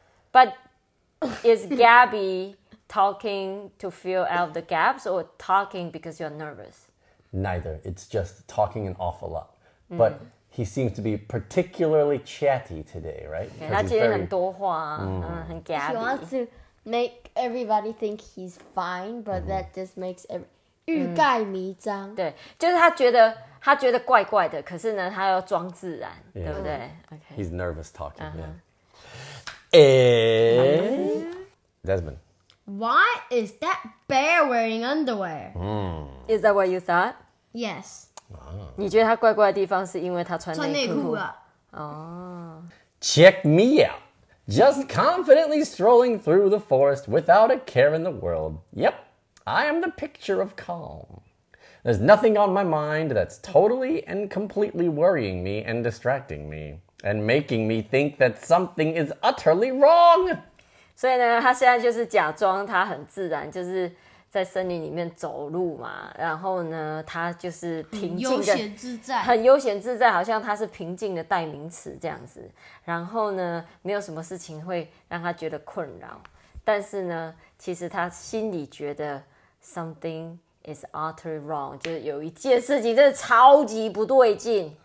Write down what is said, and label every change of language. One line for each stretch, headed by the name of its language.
English: But is gabby talking to fill out the gaps or talking because you're nervous? Neither. It's just talking an awful lot. But... Mm. He seems to be particularly chatty today, right? Yeah, he's very...
Chinese: 很多话、很
English: gabby. He wants to make everybody think he's fine, but、mm-hmm. that just makes every...
Chinese: 欲盖弥彰。对，就是他觉得怪怪的，可是呢，他要装自然， yeah. 对不对、
English: okay. He's nervous talking,、uh-huh. yeah. And... Desmond. Why is that bear wearing underwear?、 Mm. Is that what you thought? Yes.
Chinese: 你觉得他怪怪的地方是因为他穿内裤啊、
English: Check me out. Just confidently strolling through the forest without a care in the world. Yep, I am the picture of calm. There's nothing on my mind that's totally and completely worrying me and distracting me and making me think that something is utterly wrong.
Chinese: 所以呢，他现在就是假装他很自然，就是在森林里面走路嘛，然后呢，他就是平静的，很悠闲自在，很悠闲自在，好像他是平静的代名词这样子。然后呢，没有什么事情会让他觉得困扰，但是呢，其实他心里觉得
English: something is utterly wrong，
Chinese: 就是有一件事情真的超级不对劲。